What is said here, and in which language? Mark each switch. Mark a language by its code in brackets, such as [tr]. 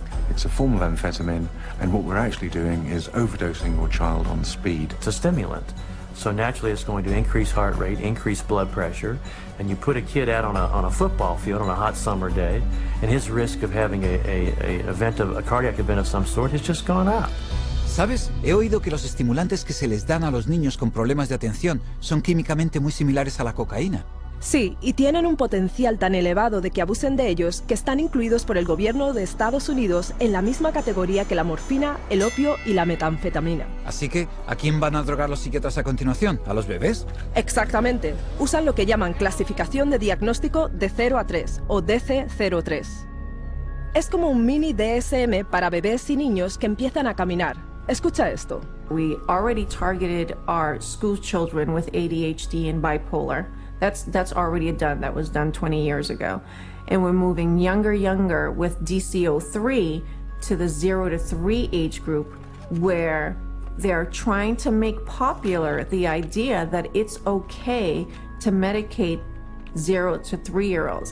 [en] It's a form of amphetamine, and what we're actually doing is overdosing your child on speed. It's a stimulant, so naturally it's going to increase heart rate, increase blood pressure, and you put a kid out on a football field on a hot summer day, and his risk of having a cardiac event of some sort has just gone up. [es] ¿Sabes? He oído que los estimulantes que se les dan a los niños con problemas de atención son químicamente muy similares a la cocaína. Sí, y tienen un potencial tan elevado de que abusen de ellos que están incluidos por el gobierno de Estados Unidos en la misma categoría que la morfina, el opio y la metanfetamina. Así que, ¿a quién van a drogar los psiquiatras a continuación? ¿A los bebés? Exactamente. Usan lo que llaman clasificación de diagnóstico de 0 a 3, o DC-03. Es como un mini DSM para bebés y niños que empiezan a caminar. Escucha esto. [en] We already targeted our school children with ADHD and bipolar. That's already done. That was done 20 years ago. And we're moving younger with DC-03 to the 0-3 age group where they're trying to make popular the idea that it's okay to medicate 0-3-year-olds.